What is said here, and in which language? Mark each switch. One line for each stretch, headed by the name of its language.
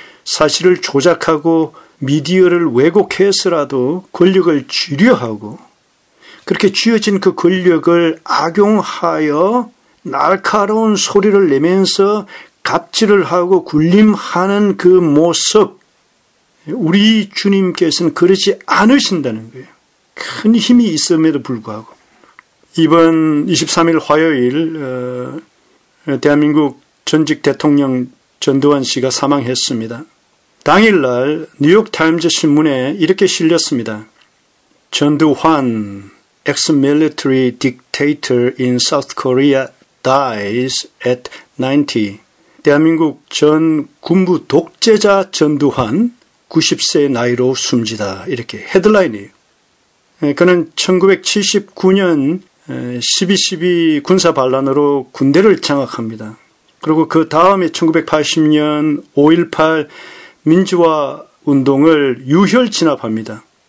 Korean: 사실을 조작하고 미디어를 왜곡해서라도 권력을 쥐려하고 그렇게 쥐어진 그 권력을 악용하여 날카로운 소리를 내면서 갑질을 하고 군림하는 그 모습, 우리 주님께서는 그러지 않으신다는 거예요. 큰 힘이 있음에도 불구하고. 이번 23일 화요일 대한민국 전직 대통령 전두환 씨가 사망했습니다. 당일날 뉴욕타임즈 신문에 이렇게 실렸습니다.
English: 전두환, ex-military dictator in South Korea, dies at 90.
Korean: 대한민국 전 군부 독재자 전두환, 90세 나이로 숨지다. 이렇게 헤드라인이에요. 그는 1979년 12.12 군사 반란으로 군대를 장악합니다. 그리고 그 다음에 1980년 5.18 민주화 운동을 유혈 진압합니다.